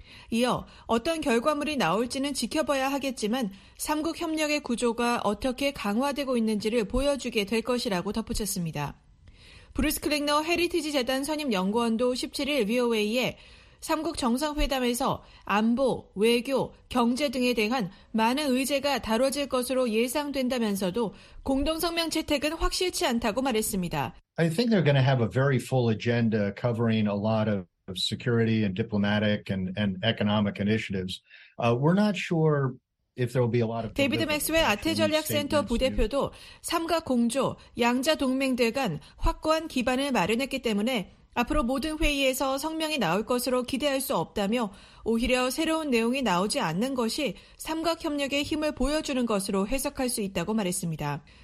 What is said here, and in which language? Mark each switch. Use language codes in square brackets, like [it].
[ko] 이어 어떤 결과물이 나올지는 지켜봐야 하겠지만 3국 협력의 구조가 어떻게 강화되고 있는지를 보여주게 될 것이라고 덧붙였습니다. 브루스 클릭너 헤리티지 재단 선임 연구원도 17일 VOA에 3국 정상회담에서 안보, 외교, 경제 등에 대한 많은 의제가 다뤄질 것으로 예상된다면서도 공동성명 채택은 확실치 않다고 말했습니다. [en] I think they're going to have a very full agenda covering a lot of security and diplomatic and economic initiatives. We're not sure if there will be a lot of. [ko] 데이비드 맥스웰 아태 전략 센터 부대표도 삼각 공조, 양자 동맹들 간 확고한 기반을 마련했기 때문에 앞으로 모든 회의에서 성명이 나올 것으로 기대할 수 없다며 오히려 새로운 내용이 나오지 않는 것이 삼각 협력의 힘을 보여주는 것으로 해석할 수 있다고 말했습니다.